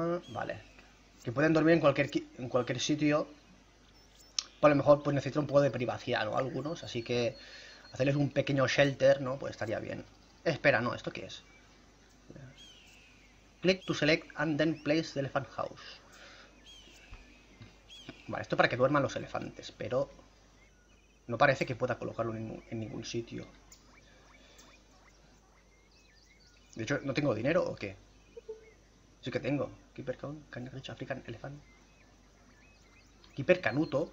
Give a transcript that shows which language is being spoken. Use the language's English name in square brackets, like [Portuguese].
[Spanish] Vale. Que pueden dormir en cualquier sitio. Pues a lo mejor pues necesitan un poco de privacidad, ¿no? Algunos, así que hacerles un pequeño shelter, ¿no? Pues estaría bien. Espera, ¿no? ¿Esto qué es? [English] Click to select and then place the elephant house. [Spanish] Vale, esto para que duerman los elefantes, pero no parece que pueda colocarlo en ningún sitio. De hecho, ¿no tengo dinero o qué? Sí que tengo. Keeper Canuto, [English] Can Rich African Elephant. [Spanish] Keeper Canuto.